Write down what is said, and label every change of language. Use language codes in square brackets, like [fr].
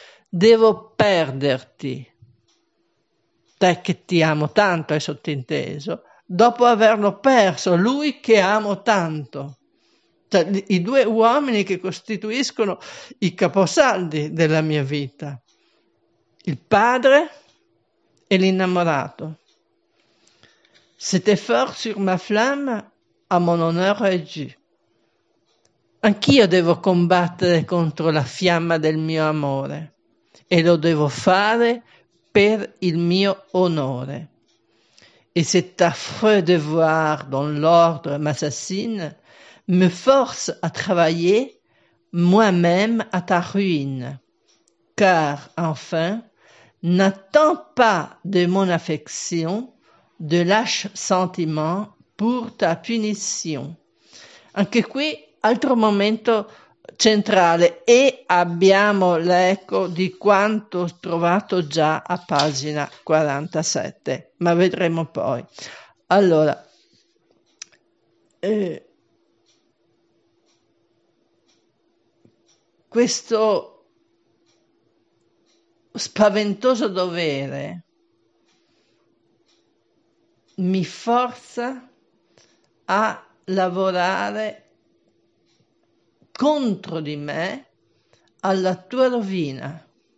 [it] Devo perderti, te che ti amo tanto, hai sottinteso, dopo averlo perso, lui che amo tanto. Cioè, i due uomini che costituiscono i caposaldi della mia vita, il padre e l'innamorato. [fr] C'était fort sur ma flamme, à mon honneur agi. [it] Anch'io devo combattere contro la fiamma del mio amore e lo devo fare per il mio onore. [fr] Et cet affreux devoir dont l'ordre m'assassine me force à travailler moi-même à ta ruine. Car enfin, n'attends pas de mon affection de lâche sentiment pour ta punition. [it] Anche qui altro momento centrale e abbiamo l'eco di quanto trovato già a pagina 47, ma vedremo poi. Allora, questo spaventoso dovere mi forza a lavorare contro di me alla tua rovina.